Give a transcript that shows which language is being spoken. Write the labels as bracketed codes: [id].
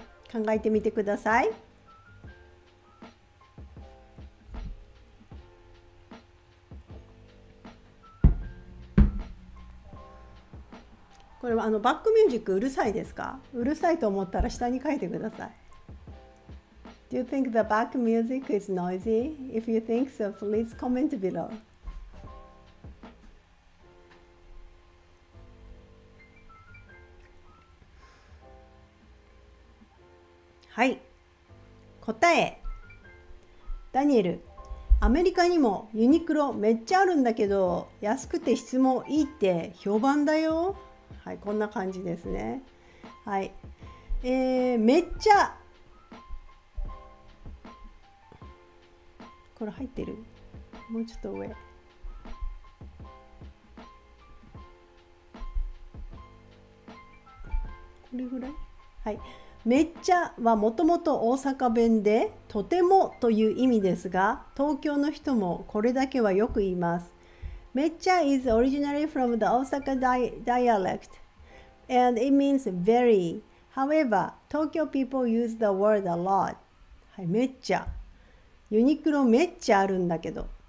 [ja] 考えてみてください。これはあのバックミュージックうるさいですか？うるさいと思ったら下に書いてください。 [en] Do you think the back music is noisy? If you think so, please comment below. [ja] はい、答え。ダニエル、アメリカにもユニクロめっちゃあるんだけど、安くて質もいいって評判だよ。はい、こんな感じですね。はい、めっちゃ、これ入ってる？もうちょっと上。これぐらい、はい、めっちゃはもともと大阪弁でとてもという意味ですが、東京の人もこれだけはよく言います。 [en] めっちゃ is originally from the Osaka dialect and it means very. However, Tokyo people use the word a lot. [ja] はい、めっちゃ。ユニクロめっちゃあるんだけど。